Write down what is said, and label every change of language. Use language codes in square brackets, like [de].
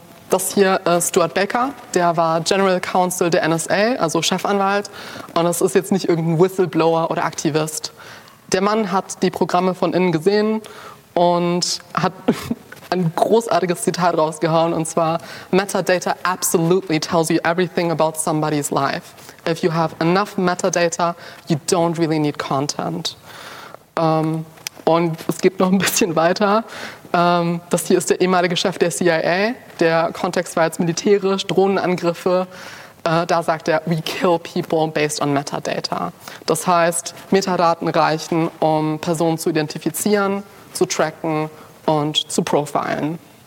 [de] Das hier ist Stuart Baker, der war General Counsel der NSA, also Chefanwalt. Und das ist jetzt nicht irgendein Whistleblower oder Aktivist. Der Mann hat die Programme von innen gesehen und hat ein großartiges Zitat rausgehauen, und zwar: [en] Metadata absolutely tells you everything about somebody's life. If you have enough metadata, you don't really need content. [de] Und es geht noch ein bisschen weiter. Das hier ist der ehemalige Chef der CIA. Der Kontext war jetzt militärisch, Drohnenangriffe. Da sagt er: [en] We kill people based on metadata. [de] Das heißt, Metadaten reichen, um Personen zu identifizieren, zu tracken und zu profilen.